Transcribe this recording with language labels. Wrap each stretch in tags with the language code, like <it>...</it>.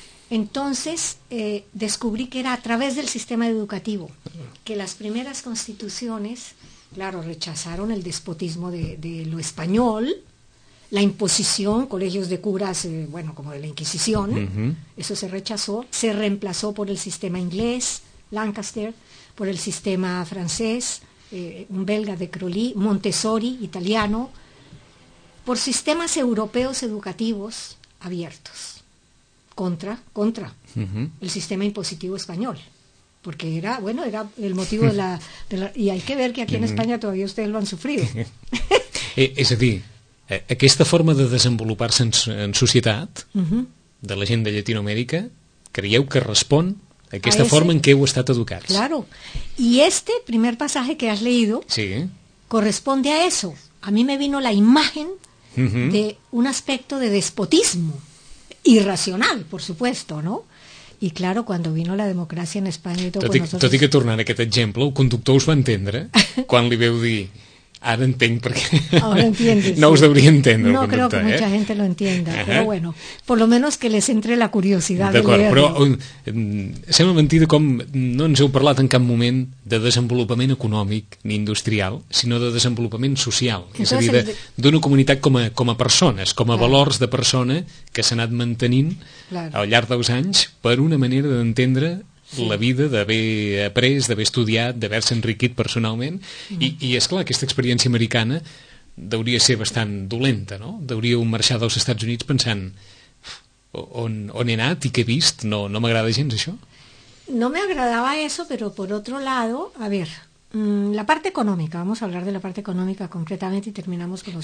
<es>Entonces descubrí que era a través del sistema educativo, que las primeras constituciones, claro, rechazaron el despotismo de lo español, la imposición, colegios de curas, como de la Inquisición, uh-huh, eso se rechazó, se reemplazó por el sistema inglés, Lancaster, por el sistema francés, un belga de Crolí, Montessori, italiano, por sistemas europeos educativos abiertos. Contra uh-huh, el sistema impositivo español, porque era, bueno, era el motivo de la y hay que ver que aquí en España todavía ustedes lo han sufrido.</es> <ca>És a dir, aquesta forma de desenvolupar-se en societat, uh-huh, de la gent de Llatinoamèrica, creieu que respon a aquesta forma en què heu estat educats?</ca> <es>Claro, y este primer pasaje que has leído, sí, corresponde a eso. A mí me vino la imagen, uh-huh, de un aspecto de despotismo irracional, por supuesto, ¿no? Y claro, cuando vino la democracia en España y todo,</es> <ca>tot i que tornant a aquest exemple, el conductor us va entendre quan li veu dir Ara entenc perquè...</ca> <es>Ara entiendes.</es> <ca>No us deuria entendre.</ca> <es>No creo que mucha gente lo entienda, pero bueno, por lo menos que les entre la curiosidad.</es> <ca>D'acord, però sembla mentida com no ens heu parlat en cap moment de desenvolupament econòmic ni industrial, sinó de desenvolupament social, és a dir, d'una comunitat com a persones, com a valors de persona que s'ha anat mantenint al llarg dels anys per una manera d'entendre... la vida, d'haver après, d'haver estudiat, d'haver-se enriquit personalment. I és clar, aquesta experiència americana deuria ser bastant dolenta, no? Deuríeu marxar dels Estats Units pensant on he anat i què he vist, no m'agrada gens això.</ca> <es>No me agradaba eso, pero por otro lado, a ver, la parte económica, vamos a hablar de la parte económica concretamente y terminamos con los</es>